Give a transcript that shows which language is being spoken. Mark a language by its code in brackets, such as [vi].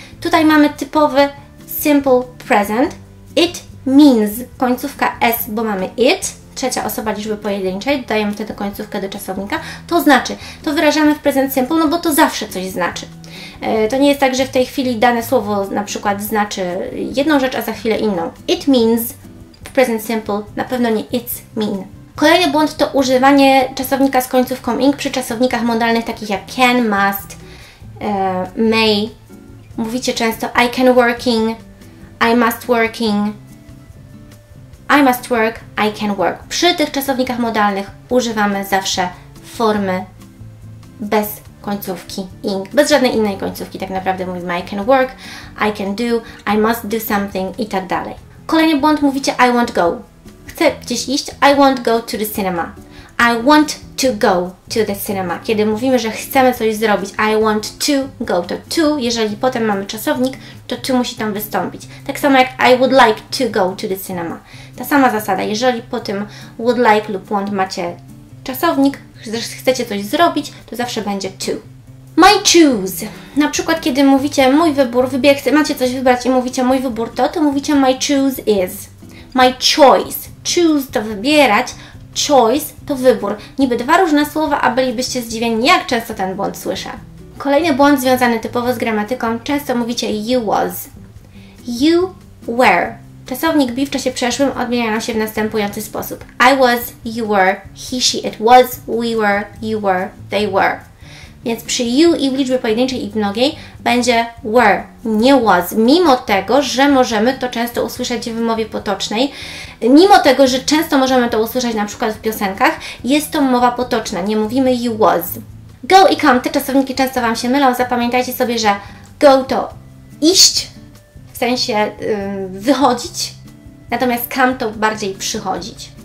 [pl] Tutaj mamy typowy simple present. [en] It means, [pl] końcówka s, bo mamy it, trzecia osoba liczby pojedynczej, dodajemy wtedy końcówkę do czasownika, to znaczy. To wyrażamy w present simple, no bo to zawsze coś znaczy. To nie jest tak, że w tej chwili dane słowo na przykład znaczy jedną rzecz, a za chwilę inną. [en] It means [pl] w present simple, na pewno nie [en] it's mean. [pl] Kolejny błąd to używanie czasownika z końcówką ing przy czasownikach modalnych takich jak can, must, may. Mówicie często [en] I can working, I must working, I must work, I can work. [pl] Przy tych czasownikach modalnych używamy zawsze formy bez końcówki ing, bez żadnej innej końcówki. Tak naprawdę mówimy [en] I can work, I can do, I must do something [pl] i tak dalej. Kolejny błąd, mówicie [en] I won't go. [pl] Chcę gdzieś iść, [en] I won't go to the cinema. I want to go to the cinema. [pl] Kiedy mówimy, że chcemy coś zrobić, [en] I want to go, [pl] to to, jeżeli potem mamy czasownik, to to musi tam wystąpić. Tak samo jak [en] I would like to go to the cinema. [pl] Ta sama zasada, jeżeli po tym would like lub want macie czasownik, chcecie coś zrobić, to zawsze będzie to. [en] My choose. [pl] Na przykład, kiedy mówicie mój wybór, macie coś wybrać i mówicie mój wybór to, to mówicie [en] my choose is. My choice. [pl] Choose to wybierać, choice to wybór. Niby dwa różne słowa, a bylibyście zdziwieni, jak często ten błąd słyszę. Kolejny błąd związany typowo z gramatyką. Często mówicie [en] you was. You were. [pl] Czasownik be w czasie przeszłym odmieniają się w następujący sposób. [en] I was, you were, he, she, it was, we were, you were, they were. [pl] Więc przy you i w liczbie pojedynczej i w mnogiej będzie were, nie was. Mimo tego, że możemy to często usłyszeć w wymowie potocznej, mimo tego, że często możemy to usłyszeć na przykład w piosenkach, jest to mowa potoczna, nie mówimy [en] you was. [pl] Go i come, te czasowniki często Wam się mylą, zapamiętajcie sobie, że go to iść, w sensie wychodzić, natomiast come to bardziej przychodzić.